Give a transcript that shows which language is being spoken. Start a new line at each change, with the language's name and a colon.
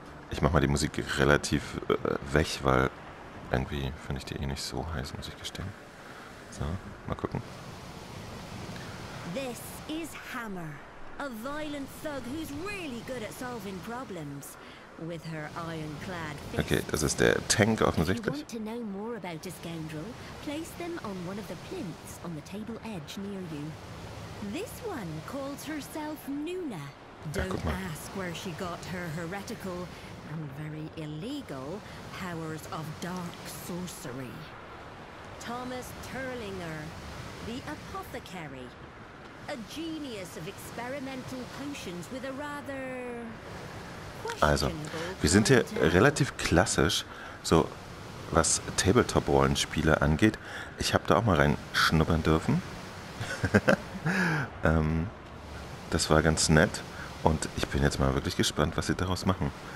German: Ich mache mal die Musik relativ weg, weil irgendwie finde ich die eh nicht so heiß, muss ich gestehen. So, mal gucken.
English: This is Hammer, a violent thug who's really good at solving problems. With her ironclad fist.
German: Okay, das ist der Tank offensichtlich.
English: If you want to know more about a scoundrel, place them on one of the plinths on the table edge near you. This one calls herself Nuna. Don't ask where she got her heretical and very illegal powers of dark sorcery. Thomas Turlinger, the apothecary. A genius of experimental potions with a rather...
German: Also, wir sind hier relativ klassisch, so was Tabletop-Rollenspiele angeht. Ich habe da auch mal reinschnuppern dürfen. das war ganz nett und ich bin jetzt mal wirklich gespannt, was sie daraus machen.